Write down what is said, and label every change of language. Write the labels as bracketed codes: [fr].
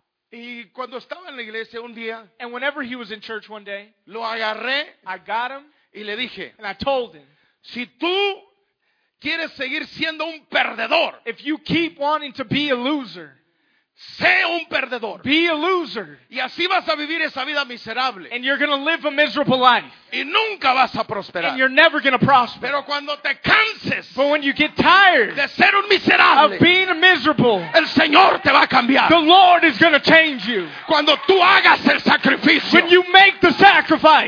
[es] Y cuando estaba en la iglesia un día, [en] and whenever he was in church one day, [es] lo agarré, [en] I got him, [es] y le dije, [en] and I told him, [es] si tú quieres seguir siendo un perdedor, [en] if you keep wanting to be a loser, [es] sé un perdedor, [en] be a loser, [es] y así vas a vivir esa vida miserable, [en] and you're going to live a miserable life, [es] y nunca vas a prosperar, [en] and you're never going to prosper. [es] Pero cuando te canses, [en] but when you get tired, [es] de ser un miserable, [en] of being miserable, [es] el Señor te va a cambiar, [en] the Lord is going to change you, [es] cuando tú hagas el sacrificio, [en] when you make the sacrifice,